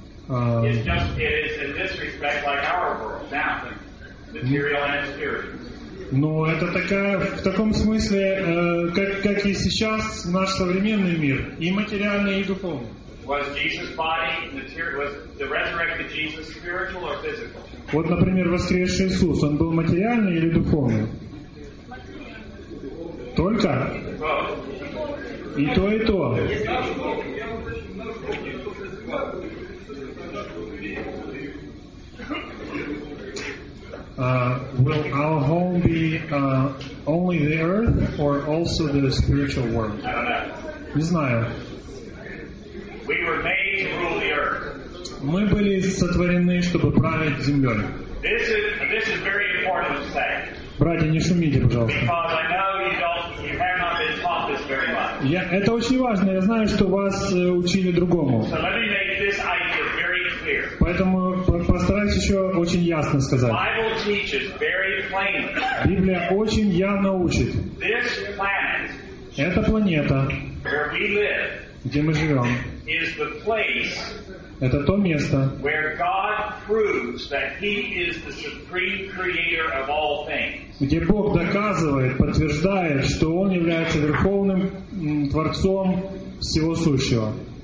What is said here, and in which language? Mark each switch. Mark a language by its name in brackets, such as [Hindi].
[English] It is in this respect like our world now, material and spiritual. [Russian] Но это такая, в таком смысле, как и сейчас наш современный мир, и материальный, и духовный. [English] Was Jesus' body material? Was the resurrected Jesus spiritual or physical? [Russian] Вот, например, воскресший Иисус, он был материальный или духовный? Только? И то, и то. [English] Will our home be only the earth or also the spiritual world? I don't know. [Russian] Не знаю. [English] We were made to rule the earth. [Russian] Мы были сотворены, чтобы править землей. [English] This is very important to say. [Russian] Братья, не шумите, пожалуйста. [English] Because I know you have not been taught this very much. [Russian] Это очень важно. Я знаю, что вас учили другому. [English] So let me make this idea very clear. [Russian] Поэтому постараюсь еще очень ясно сказать. [English] The Bible teaches very plainly. [Russian] Библия очень явно учит. [English] This planet. [Russian] Эта планета. [English] Where we live. [Russian] Где мы живем. [English] Is the place. [Russian] Это то место, где Бог доказывает, подтверждает, что Он является верховным Творцом всего сущего.